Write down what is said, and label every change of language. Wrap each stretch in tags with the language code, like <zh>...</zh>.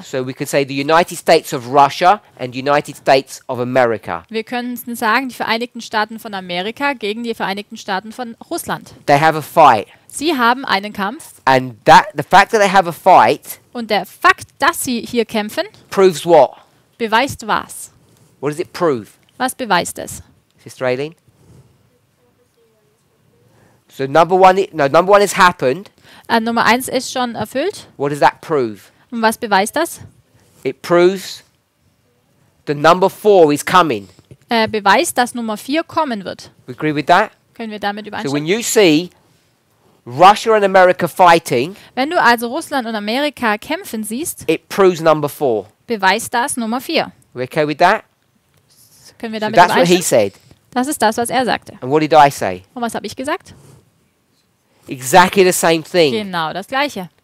<en>So we could say the United States of Russia and United States of America.</en> <de>Wir könnten sagen, die Vereinigten Staaten von Amerika gegen die Vereinigten Staaten von Russland.</de> <en>They have a fight.</en> <de>Sie haben einen Kampf.</de> <en>And that the fact that they have a fight.</en> <de>Und der Fakt, dass sie hier kämpfen.</de> <en>Proves what?</en> <de>Beweist was?</de> <en>What does it prove?</en> <de>Was beweist es?</de> <en>Sister Aileen? So number one, number one has happened.</en> <de>Nummer eins ist schon erfüllt.</de> <en>What does that prove?</en> <de>Und was beweist das?</de> <en>It proves the number four is coming.</en> <de>Beweist, dass Nummer vier kommen wird.</de> <en>We agree with that?</en> <de>Können wir damit übereinstimmen?</de> <en>So when you see Russia and America fighting,</en> <de>wenn du also Russland und Amerika kämpfen siehst,</de> <en>it proves number four.</en> <de>Beweist das Nummer vier.</de> <en>We okay with that?</en> <de>Können wir damit</de> <en>so that's what he said.</en> <de>Das ist das, was er sagte.</de> <en>And what did I say?</en> <de>Und was habe ich gesagt?</de> <en>Exactly the same thing.</en> <de>Genau das Gleiche.</de>